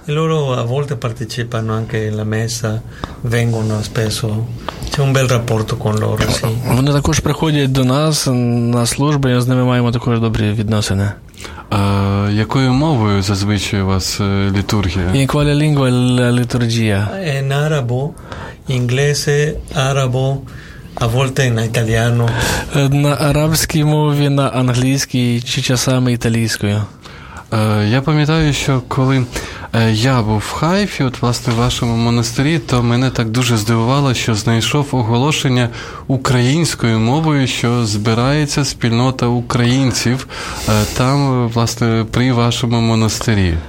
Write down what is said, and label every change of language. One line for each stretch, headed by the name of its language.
Italian: E loro a volte partecipano anche alla messa, vengono spesso. C'è un bel rapporto con loro, sì.
Ukrainian: Вони також приходять до нас на службу, і з ними маємо також добрі відносини. А якою мовою зазвичай у вас літургія?
Italian: In quale lingua la liturgia? In arabo, inglese, arabo, a volte in italiano.
Ukrainian: На арабській мові, на англійській чи часами італійською? Я пам'ятаю, що коли я був в Хайфі, от власне в вашому монастирі, то мене так дуже здивувало, що знайшов оголошення українською мовою, що збирається спільнота українців там, власне, при вашому монастирі.